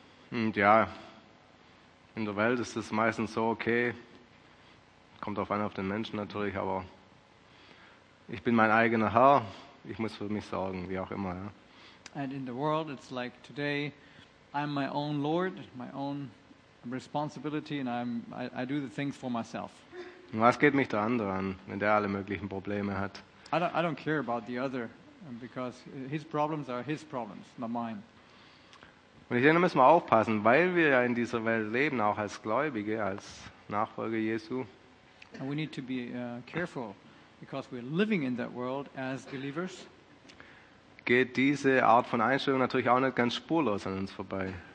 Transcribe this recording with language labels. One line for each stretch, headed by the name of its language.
German: Und ja, in der Welt ist es meistens so okay. Kommt auf einen auf den Menschen natürlich, aber ich bin mein eigener Herr, ich muss für mich sorgen, wie auch immer. Ja.
English: And in the world, it's like today, I'm my own Lord, my own responsibility, and I do the things for myself.
German: Was geht mich der andere an, wenn der alle möglichen Probleme hat?
English: I don't care about the other, because his problems are his problems, not mine.
German: Und ich denke, da müssen wir aufpassen, weil wir ja in dieser Welt leben, auch als Gläubige, als Nachfolger Jesu.
English: And we need to be careful. Because we're living in that world as believers,
German: geht diese Art von Einstellung natürlich auch nicht ganz spurlos an uns vorbei.